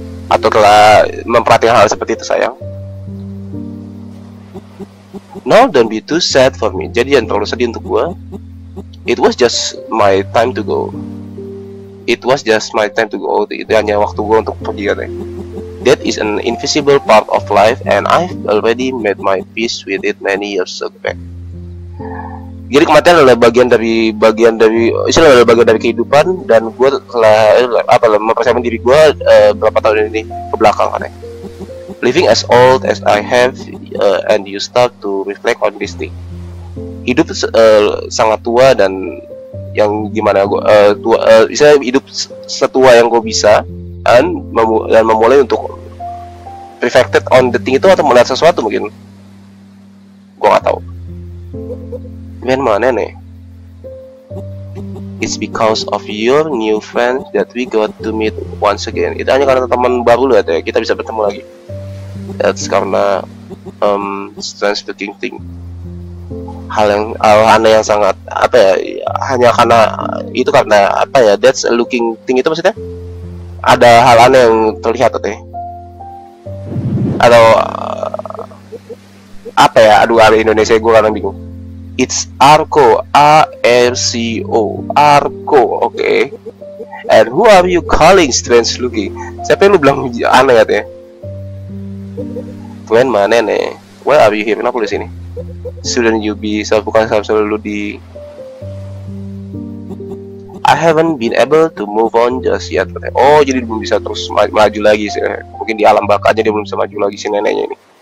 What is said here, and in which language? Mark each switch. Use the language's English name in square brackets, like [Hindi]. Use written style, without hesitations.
[Indonesian] Atau telah memperhatikan hal seperti itu sayang. [English] No, don't be too sad for me. [Indonesian] Jadi jangan terlalu sedih untuk gue. [English] It was just my time to go. It was just my time to go. [Indonesian] Itu hanya waktu gue untuk pergi katanya. [English] That is an invisible part of life and I've already made my peace with it many years back. [Indonesian] Jadi kematian adalah bagian dari istilah adalah bagian dari kehidupan dan gue telah mempersiapkan diri gue beberapa tahun ini ke belakang kan. [English] Living as old as I have and you start to reflect on this thing. [Indonesian] Hidup sangat tua dan yang gimana gue tua, bisa hidup setua yang gue bisa, dan memulai untuk [English] reflected on the thing [Indonesian] itu atau melihat sesuatu mungkin. Gue nggak tahu. Man mana nih? [English] It's because of your new friends that we got to meet once again. [Indonesian] Itu hanya karena teman baru lah ya, kita bisa bertemu lagi. That's karena [English] strange looking thing. [Indonesian] Hal yang aneh yang sangat apa ya, hanya karena itu, karena apa ya, [English] that's a looking thing [Indonesian] itu maksudnya? Ada hal aneh yang terlihat atau apa ya, aduh ada Indonesia gue kadang bingung. [English] It's Arco, A-R-C-O, Arco, oke. Okay. And who are you calling strange looking? [Indonesian] Siapa yang lu bilang aneh katanya? Glenn mana nih? [English] Why are you here? [Indonesian] Kenapa lu disini? [English] Shouldn't you be self-self-self lu di... I haven't been able to move on just yet. [Indonesian] Oh, jadi belum bisa terus maju lagi sih. Mungkin di alam bakat aja dia belum bisa maju lagi si neneknya ini.